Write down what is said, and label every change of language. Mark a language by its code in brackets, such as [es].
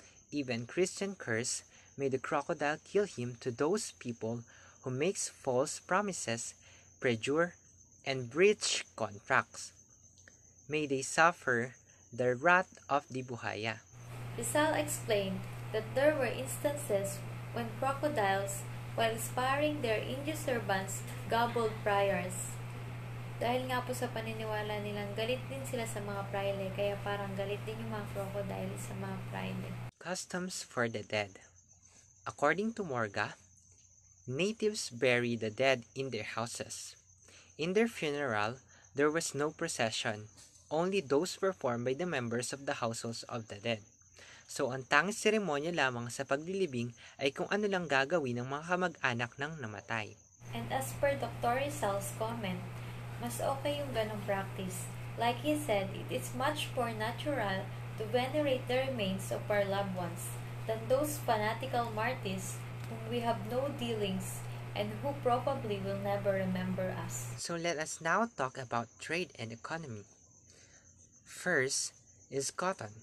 [en] Even Christian curse may the crocodile kill him to those people who makes false promises, perjure, and breach contracts. May they suffer the wrath of the buhaya. Rizal explained that there were instances when crocodiles, while sparring their Indian servants, gobbled priors. [tl] Dahil nga po sa paniniwala nilang galit din sila sa mga praile, kaya parang galit din yung mga crocodile sa mga praile. [en] Customs for the dead. According to Morga, natives bury the dead in their houses. In their funeral, there was no procession, only those performed by the members of the households of the dead. [tl] So ang tanging seremonya lamang sa paglilibing ay kung ano lang gagawin ng mga kamag-anak ng namatay. [en] And as per Dr. Rizal's comment, [tl] mas okay yung ganong [en] practice. Like he said, it is much more natural to venerate the remains of our loved ones than those fanatical martyrs whom we have no dealings and who probably will never remember us. So let us now talk about trade and economy. First is cotton.